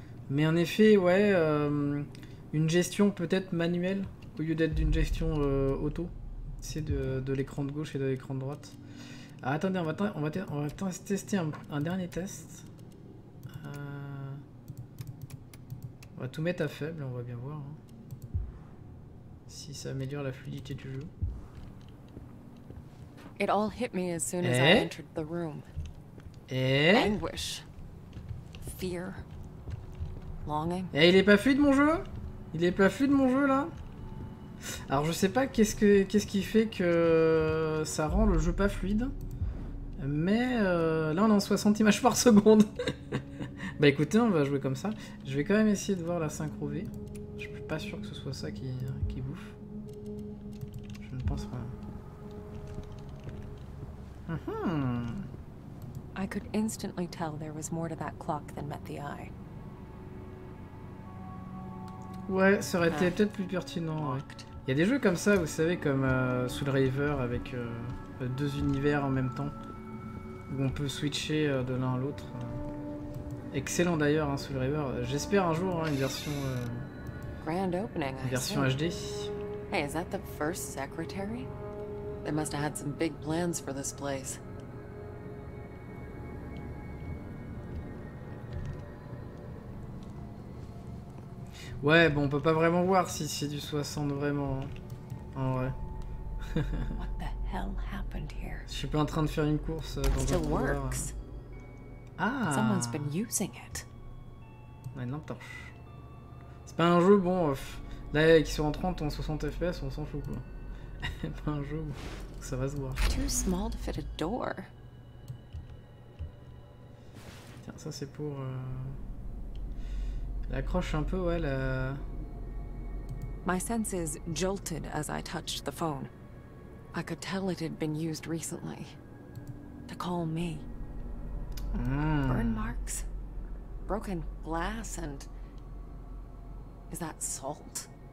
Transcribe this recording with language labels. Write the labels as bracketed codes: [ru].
[fr] Mais en effet, ouais, une gestion peut-être manuelle au lieu d'être d'une gestion auto, c'est de l'écran de gauche et de l'écran de droite. Ah, attendez, on va tester un dernier test. On va tout mettre à faible, on va bien voir hein, si ça améliore la fluidité du jeu. [en] It all hit me as soon as I entered the room. Anguish. Fear. Longing. [fr] Eh, il est pas fluide mon jeu? Il est pas fluide mon jeu là? Alors je sais pas qu'est-ce qui fait que ça rend le jeu pas fluide. Mais là on est en 60 images par seconde. Bah écoutez, on va jouer comme ça. Je vais quand même essayer de voir la synchro V. Je suis pas sûr que ce soit ça qui bouffe. Je ne pense pas. [en] I could instantly tell there was more to that clock than met the eye. [fr] Ouais, ça aurait été peut-être plus pertinent. Ouais. Il y a des jeux comme ça, vous savez, comme Soul Reaver avec deux univers en même temps, où on peut switcher de l'un à l'autre. Excellent d'ailleurs, hein, Soul Reaver. J'espère un jour hein, une version. [en] Grand opening, [fr] une version HD. [en] Hey, is that the first secretary? They must have had some big plans for this place. [fr] Ouais, bon, on peut pas vraiment voir si c'est du 60 vraiment en vrai. [en] What the hell happened here? [fr] Je suis pas en train de faire une course dans un couloir. Ah. [en] Someone's been using it. [fr] Ouais, non, torche. C'est pas un jeu bon. Là, qui sont en 30 ou en 60 FPS, on s'en fout quoi. Pas un jeu. Ça va se voir. [en] Too small to fit a door. [fr] Tiens, ça c'est pour l'accroche un peu, ouais, la... [en] My senses jolted as I touched the phone. I could tell it had been used recently to call me. Burn marks, broken glass, and is that salt?